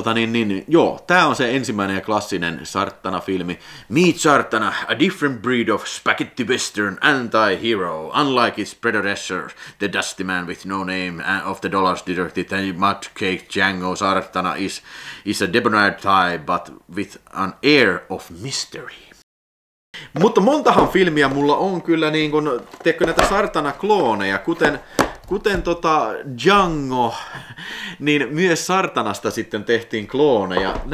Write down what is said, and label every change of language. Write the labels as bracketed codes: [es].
[fi] Niin, tää on se ensimmäinen ja klassinen Sartana-filmi. [en] Meet Sartana, a different breed of spaghetti western anti-hero, unlike its predecessor, the dusty man with no name of the dollars deducted and mudcake Django. Sartana is a debonair type, but with an air of mystery. [fi] Mutta montahan filmiä mulla on kyllä niin kun, tiedätkö näitä Sartana-klooneja, kuten Django, niin myös Sartanasta sitten tehtiin klooneja.